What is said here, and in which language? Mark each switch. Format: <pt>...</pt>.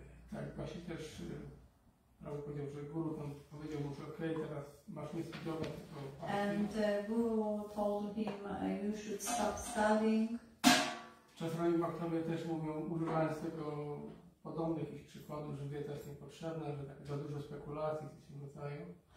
<pl>Tak, właśnie też Prabhupada powiedział, że Guru tam powiedział mu, że okej, teraz masz nie studiować, tylko Bhakti.</pl> <en>And Guru told him, you should stop studying.</en> <pl>Czasami Bhaktowie też mówią, używając tego podobnych ich przykładów, że wiedza jest niepotrzebna, że tak za dużo spekulacji coś w rodzaju.</pl>